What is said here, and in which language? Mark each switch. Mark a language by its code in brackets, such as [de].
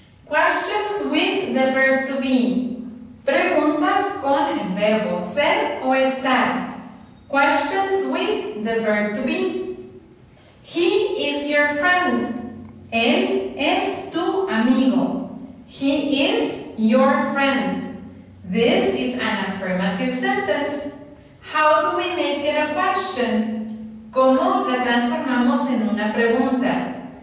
[en] Questions with the verb to be. [es] Preguntas con el verbo ser o estar. [en] Questions with the verb to be. He is your friend. [es] Él es tu amigo. [en] He is your friend. This is an affirmative sentence. How do we make it a question? [es] ¿Cómo la transformamos en una pregunta?